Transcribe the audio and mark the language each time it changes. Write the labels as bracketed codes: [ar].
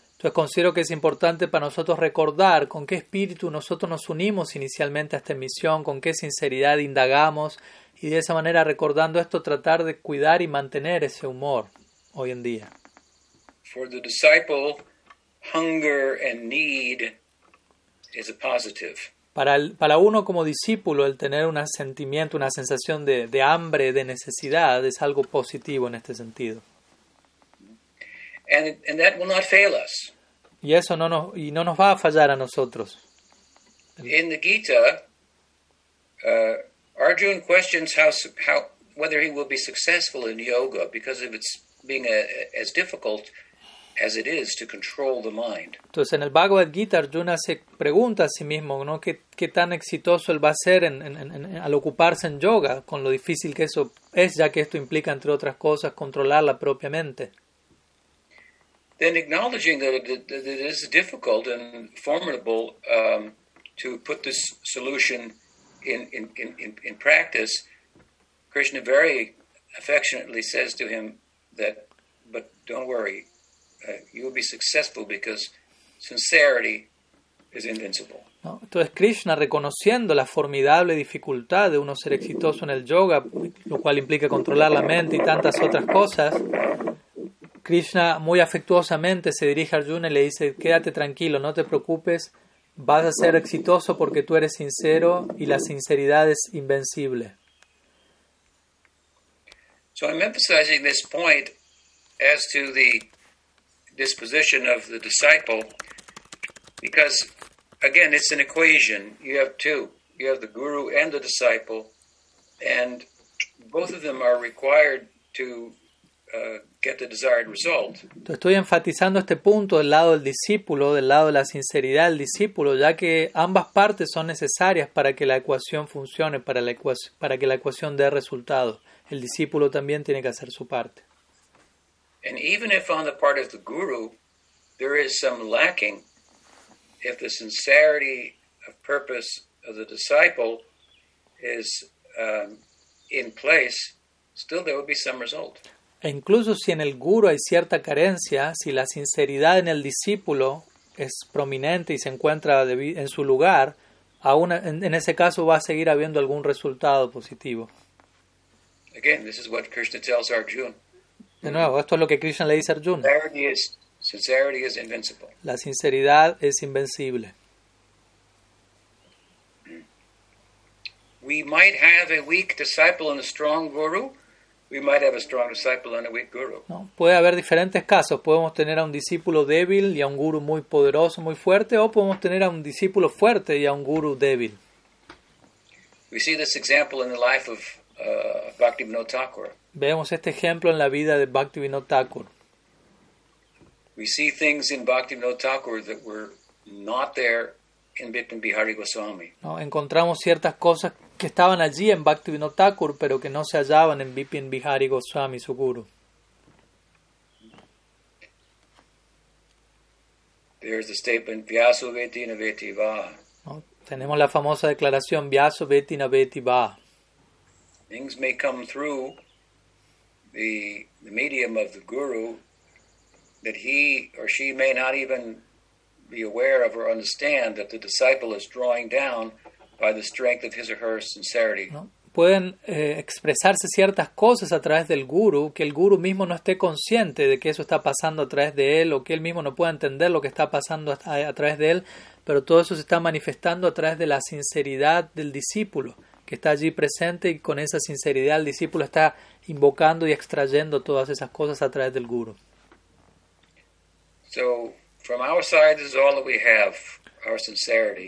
[es] Entonces considero que es importante para nosotros recordar con qué espíritu nosotros nos unimos inicialmente a esta misión, con qué sinceridad indagamos, y de esa manera recordando esto tratar de cuidar y mantener ese humor hoy en día. [en] For the disciple, hunger and need is a positive. [es] Para uno como discípulo, el tener un sentimiento, una sensación de hambre, de necesidad, es algo positivo en este sentido. [en] And that will not fail us. [es] Y eso no nos va a fallar a nosotros. [en] In the Gita, Arjun questions how whether he will be successful in yoga because of its being as difficult as it is to control the mind. [es] Entonces en el Bhagavad Gita Arjuna se pregunta a sí mismo, ¿no? ¿Qué tan exitoso él va a ser en al ocuparse en yoga con lo difícil que eso es, ya que esto implica entre otras cosas controlar la propia mente. [en] Then acknowledging that it is difficult and formidable to put this solution in practice, Krishna very affectionately says to him that, but don't worry, you will be successful because sincerity is invincible. [es] No, entonces Krishna, reconociendo la formidable dificultad de uno ser exitoso en el yoga, lo cual implica controlar la mente y tantas otras cosas, Krishna muy afectuosamente se dirige a Arjuna y le dice, quédate tranquilo, no te preocupes, vas a ser exitoso porque tú eres sincero y la sinceridad es invencible. [en] So I'm emphasizing this point as to the disposition of the disciple, because again, it's an equation. You have two. You have the guru and the disciple, and both of them are required to get the desired result. [es] Estoy enfatizando este punto del lado del discípulo, del lado de la sinceridad del discípulo, ya que ambas partes son necesarias para que la ecuación funcione, para que la ecuación dé resultado. El discípulo también tiene que hacer su parte. [en] And even if on the part of the guru there is some lacking, if the sincerity of purpose of the disciple is in place, still there will be some result. [es] E incluso si en el guru hay cierta carencia, si la sinceridad en el discípulo es prominente y se encuentra en su lugar, aún en ese caso va a seguir habiendo algún resultado positivo. [en] Again, this is what Krishna tells Arjuna. [es] De nuevo, esto es lo que Krishna le dice a Arjuna. [en] Sincerity is invincible. [es] La sinceridad es invencible. [en] We might have a weak disciple and a strong guru. We might have a strong disciple and a weak guru. [es] No, puede haber diferentes casos. Podemos tener a un discípulo débil y a un guru muy poderoso, muy fuerte, o podemos tener a un discípulo fuerte y a un guru débil. [en] We see this example in the life of Bhaktivinoda Thakur. [es] Vemos este ejemplo en la vida de Bhaktivinoda Thakur. [en] We see things in Bhaktivinoda Thakur that were not there in Bipin Bihari Goswami. [es] No, encontramos ciertas cosas que estaban allí en Bhaktivinoda Thakur, pero que no se hallaban en Bipin Bihari Goswami, su guru. [en] There's the statement, [sa] Vyaso Veti Na Veti Va. [es] No, tenemos la famosa declaración, [sa] Vyaso Veti Na Veti Va. [en] Things may come through the medium of the guru that he or she may not even be aware of or understand that the disciple is drawing down by the strength of his or her sincerity. [es] No. Pueden expresarse ciertas cosas a través del guru, que el guru mismo no esté consciente de que eso está pasando a través de él, o que él mismo no pueda entender lo que está pasando a través de él, pero todo eso se está manifestando a través de la sinceridad del discípulo, que está allí presente, y con esa sinceridad el discípulo está invocando y extrayendo todas esas cosas a través del guru. [en] So, from our side, this is all that we have, our sincerity.